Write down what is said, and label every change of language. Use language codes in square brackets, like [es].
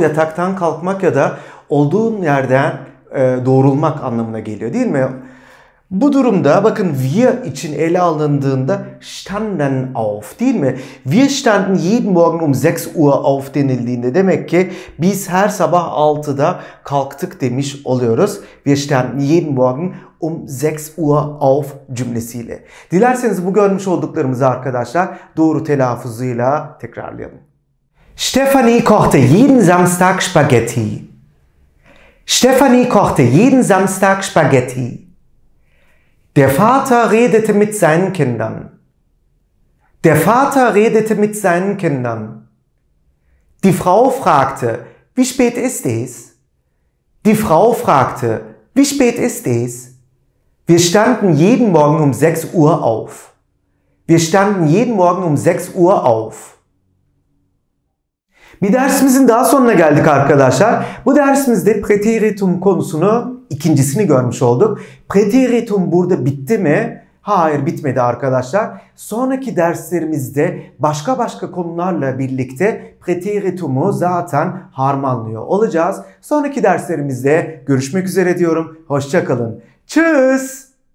[tr] Yataktan kalkmak ya da olduğun yerden doğrulmak anlamına geliyor değil mi? Bu durumda bakın wir için ele alındığında [de] standen auf [tr] değil mi? [de] Wir standen jeden Morgen um 6 Uhr auf [tr] denildiğinde demek ki biz her sabah 6'da kalktık demiş oluyoruz. [de] Wir standen jeden Morgen um 6 Uhr auf cümlesiyle. [tr] Dilerseniz bu görmüş olduklarımızı arkadaşlar doğru telaffuzuyla tekrarlayalım. [de] Stephanie kochte jeden Samstag Spaghetti. Stephanie kochte jeden Samstag Spaghetti. Der Vater redete mit seinen Kindern. Der Vater redete mit seinen Kindern. Die Frau fragte, wie spät ist es? Die Frau fragte, wie spät ist es? Wir standen jeden Morgen um 6 Uhr auf. Wir standen jeden Morgen um 6 Uhr auf. [tr] Bir dersimizin daha sonuna geldik arkadaşlar. Bu dersimizde preteritum konusunu ikincisini görmüş olduk. Preteritum burada bitti mi? Hayır, bitmedi arkadaşlar. Sonraki derslerimizde başka başka konularla birlikte preteritumu zaten harmanlıyor olacağız. Sonraki derslerimizde görüşmek üzere diyorum. Hoşça kalın. Tschüss.